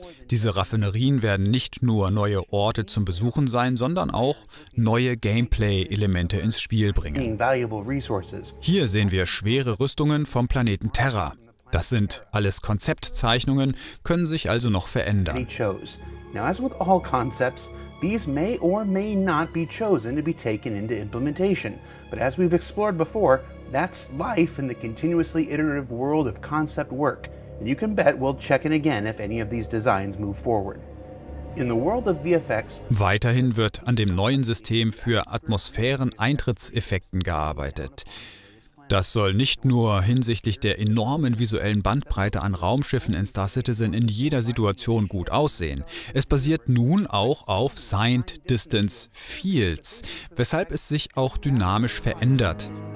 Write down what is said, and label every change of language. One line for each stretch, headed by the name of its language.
German: Diese Raffinerien werden nicht nur neue Orte zum Besuchen sein, sondern auch neue Gameplay-Elemente ins Spiel bringen. Hier sehen wir schwere Rüstungen vom Planeten Terra. Das sind alles Konzeptzeichnungen, können sich also noch verändern.
English: Now, as with all concepts, these may or may not be chosen to be taken into implementation. But as we've explored before, that's life in the continuously iterative world of concept work. And you can bet we'll check in again if any of these designs move forward. In the world of VFX.
German: Weiterhin wird an dem neuen System für Atmosphären-Eintrittseffekten gearbeitet. Das soll nicht nur hinsichtlich der enormen visuellen Bandbreite an Raumschiffen in Star Citizen in jeder Situation gut aussehen. Es basiert nun auch auf Signed Distance Fields, weshalb es sich auch dynamisch verändert.